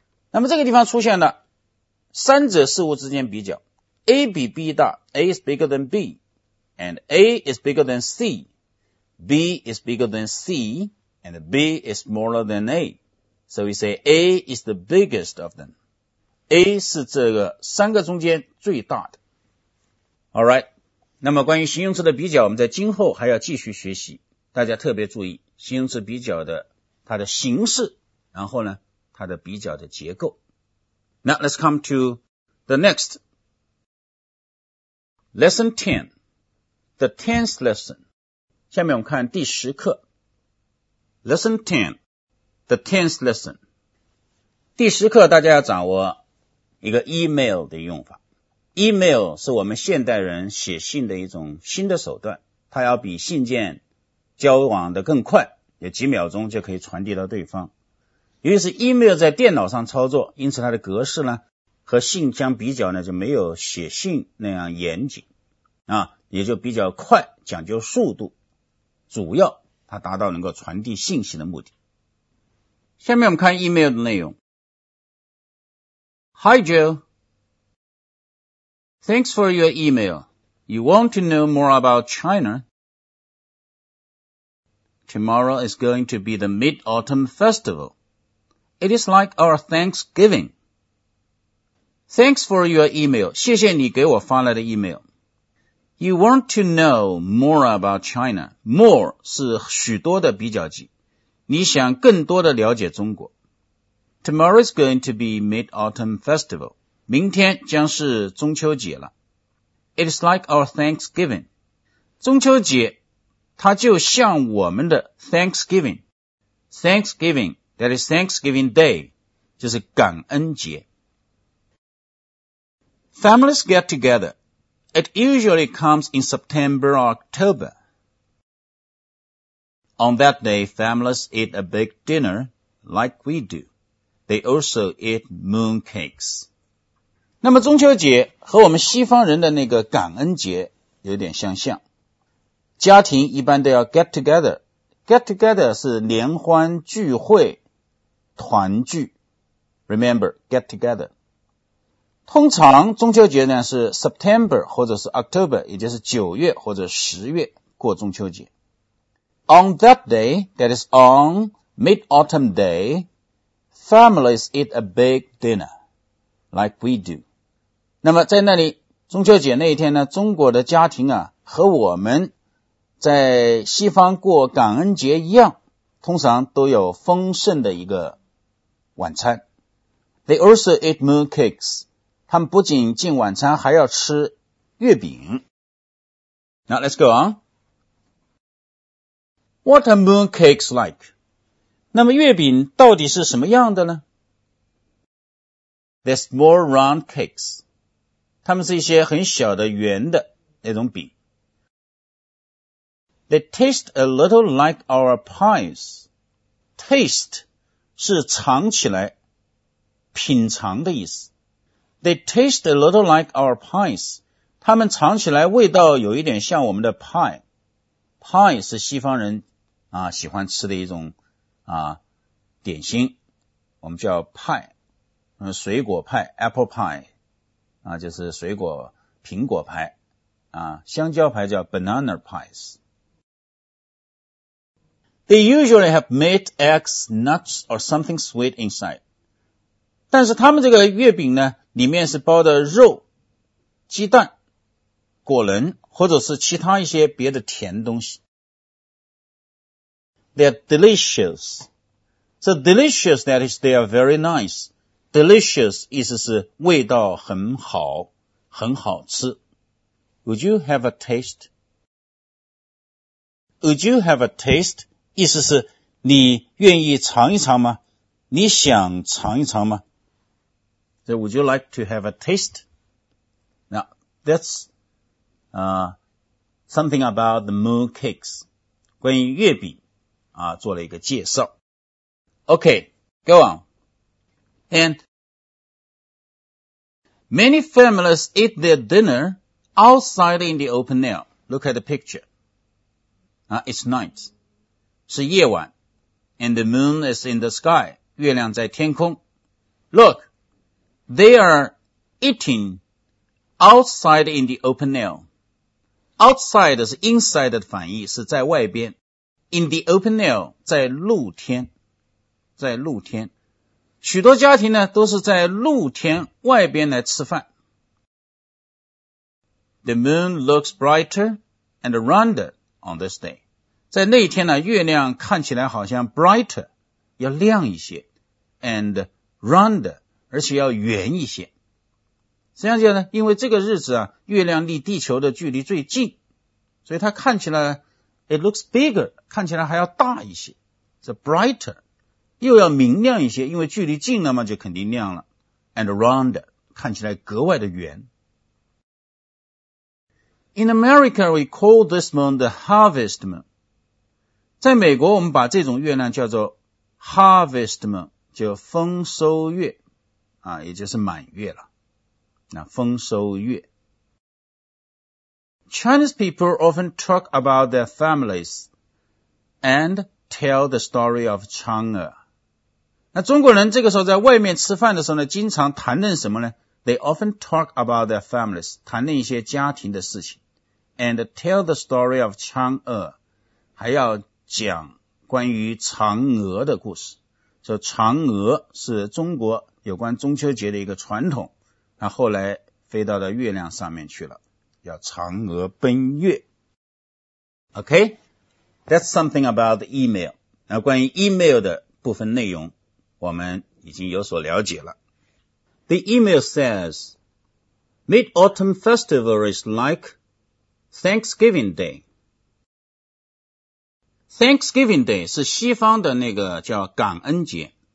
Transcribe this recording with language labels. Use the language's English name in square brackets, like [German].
[Chinese] 那么这个地方出现了三者事物之间比较， A 比 B 大， [English] A is bigger than B and A is bigger than C, B is bigger than C and B is smaller than A, so we say A is the biggest of them, [Chinese] A 是这个三个中间最大的。 Alright, 那么关于形容词的比较我们在今后还要继续学习，大家特别注意形容词比较的它的形式，然后呢它的比较的结构。 [English] Now let's come to the next lesson 10, the 10th lesson. [Chinese] 下面我们看第十课 [English] lesson 10, the 10th lesson. [Chinese] 第十课大家要掌握一个 email 的用法。 Email 是我们现代人写信的一种新的手段，它要比信件交往的更快，也几秒钟就可以传递到对方。由于是 email 在电脑上操作，因此它的格式呢和信相比较呢就没有写信那样严谨啊，也就比较快，讲究速度，主要它达到能够传递信息的目的。下面我们看 email 的内容。 [English] Hi Jill, Thanks for your email. You want to know more about China? Tomorrow is going to be the Mid-Autumn Festival. It is like our Thanksgiving. Thanks for your email. [Chinese] 谢谢你给我发来的 email. [English] You want to know more about China. [Chinese] More 是许多的比较级。你想更多的了解中国。 [English] Tomorrow is going to be Mid-Autumn Festival. [Chinese] 明天将是中秋节了。 [English] It is like our Thanksgiving. [Chinese] 中秋节它就像我们的 Thanksgiving. [English] Thanksgiving. That is Thanksgiving Day, [Chinese] 就是感恩节。 [English] Families get together. It usually comes in September or October. On that day, families eat a big dinner, like we do. They also eat mooncakes. [Chinese] 那么中秋节和我们西方人的那个感恩节有点相像。家庭一般都要 [English] get together. Get together [Chinese] 是联欢聚会。团聚 , [English] remember, get together. [Chinese] 通常中秋节呢是 September 或者是 October, 也就是9月或者10月过中秋节。 [English] On that day, that is on Mid-Autumn Day, families eat a big dinner, like we do. [Chinese] 那么在那里中秋节那一天呢，中国的家庭啊和我们在西方过感恩节一样，通常都有丰盛的一个晚餐。 [English] They also eat moon cakes. [Chinese] 他们不仅进晚餐还要吃月饼。 [English] Now let's go on. What are moon cakes like? [Chinese] 那么月饼到底是什么样的呢？ [English] They're small round cakes. [Chinese] 他们是一些很小的圆的那种饼。 [English] They taste a little like our pies. [Chinese] Taste. 是尝起来品尝的意思。 [English] They taste a little like our pies. [Chinese] 他们尝起来味道有一点像我们的 pie。Pie 是西方人啊喜欢吃的一种啊点心。我们叫 pie。水果派 ,apple pie。啊就是水果苹果派。啊香蕉派叫 banana pies。 [English] They usually have meat, eggs, nuts, or something sweet inside. [Chinese] 但是他们这个月饼呢，里面是包的肉、鸡蛋、果仁，或者是其他一些别的甜东西。 [English] They are delicious. So delicious, that is, they are very nice. [Chinese] Delicious 意思是味道很好，很好吃。 [English] Would you have a taste? Would you have a taste? [Chinese] 意思是你愿意尝一尝吗？你想尝一尝吗？ [English] So would you like to have a taste? Now, that's something about the moon cakes. [Chinese] 关于月饼啊，做了一个介绍。 [English] Okay, go on. And many families eat their dinner outside in the open air. Look at the picture. It's night. [Chinese] 是夜晚 [English] and the moon is in the sky, [Chinese] 月亮在天空。 [English] Look, they are eating outside in the open air. [Chinese] Outside 是 inside 的反义，是在外边。 [English] In the open air [Chinese] 在露天，在露天。许多家庭呢都是在露天外边来吃饭。 [English] The moon looks brighter and rounder on this day. [Chinese] 在那一天呢，月亮看起来好像 brighter, 要亮一些 ,and rounder, 而且要圆一些。实际上讲呢，因为这个日子啊，月亮离地球的距离最近，所以它看起来 , [English] it looks bigger, [Chinese] 看起来还要大一些。 So brighter, 又要明亮一些，因为距离近了嘛，就肯定亮了。 And rounder, 看起来格外的圆。 [English] In America, we call this moon the harvest moon. [Chinese] 在美国我们把这种月亮叫做 harvest moon, 就丰收月、啊、也就是满月了。那丰收月。 [English] Chinese people often talk about their families and tell the story of Chang'e. [Chinese] 那中国人这个时候在外面吃饭的时候呢经常谈论什么呢 ? [English] They often talk about their families, [Chinese] 谈论一些家庭的事情。 [English] And tell the story of Chang'e, [Chinese] 还要讲关于嫦娥的故事。 So, 嫦娥是中国有关中秋节的一个传统，那后来飞到了月亮上面去了，叫嫦娥奔月。 [English] Okay, that's something about the email. [Chinese] 那关于 email 的部分内容，我们已经有所了解了。 [English] The email says, Mid-Autumn Festival is like... Thanksgiving Day. [Chinese] Thanksgiving Day 是西方的那个叫感恩节。